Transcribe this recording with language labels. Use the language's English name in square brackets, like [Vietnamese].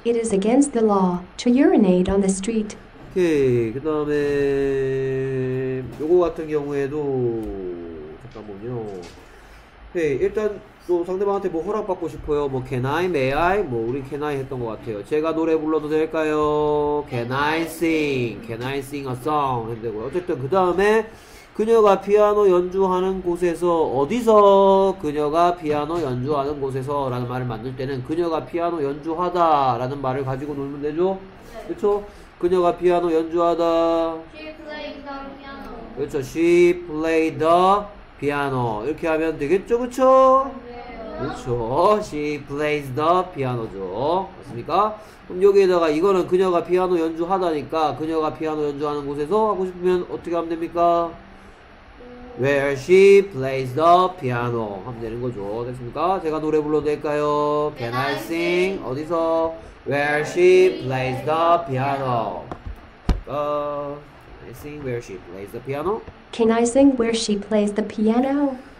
[English] It is against the law to urinate on the street. [Korean] 오케이, 그 다음에 요거 같은 경우에도 잠깐만요. 오케이, 일단 또 상대방한테 뭐 허락받고 싶어요. 뭐 [English] Can I, May I? [Korean] 뭐 우리 [English] Can I [Korean] 했던 것 같아요. 제가 노래 불러도 될까요? [English] Can I sing? Can I sing a song? [Korean] 했는데 어쨌든 그 다음에 그녀가 피아노 연주하는 곳에서 어디서 그녀가 피아노 연주하는 곳에서라는 말을 만들 때는 그녀가 피아노 연주하다라는 말을 가지고 놀면 되죠. 그렇죠? 그녀가 피아노 연주하다. [English] She [Korean] 그렇죠. [English] She played the piano. [Korean] 이렇게 하면 되겠죠. 그렇죠? 그렇죠. [English] She plays the piano [Korean] 죠. 맞습니까? 그럼 여기에다가 이거는 그녀가 피아노 연주하다니까 그녀가 피아노 연주하는 곳에서 하고 싶으면 어떻게 하면 됩니까? [English] Where she plays the piano [Korean] 하면 되는 거죠. 됐습니까? 제가 노래 불러도 될까요? [English] Can I sing? [Korean] 어디서? [English] Where she plays the piano. Can I sing? Where she plays the piano? Can I sing where she plays the piano?